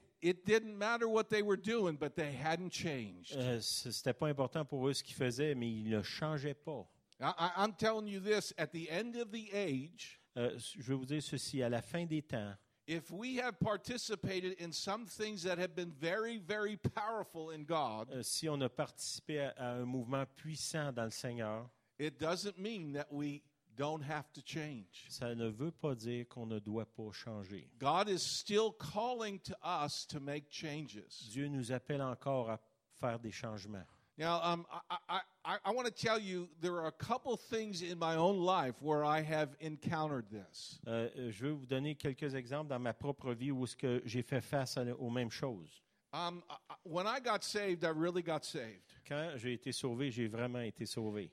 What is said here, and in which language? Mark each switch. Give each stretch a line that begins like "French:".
English: It didn't matter what they were doing, but they hadn't changed.
French: C'était pas important pour eux ce qu'ils faisaient, mais ils ne changeaient pas.
English: I'm telling you this, at the end of the age,
French: je vais vous dire ceci, à la fin des temps,
English: if we have participated in some things that have been very, very powerful in God,
French: si on a participé à un mouvement puissant dans le Seigneur,
English: it doesn't mean that we don't have to change.
French: Ça ne veut pas dire qu'on ne doit pas changer.
English: God is still calling to us to make changes.
French: Dieu nous appelle encore à faire des changements.
English: Now, I want to tell you, there are a couple things in my own life where I have encountered this.
French: Je veux vous donner quelques exemples dans ma propre vie où ce que j'ai fait face aux mêmes choses.
English: When I got saved, I really got saved.
French: Quand j'ai été sauvé, j'ai vraiment été sauvé.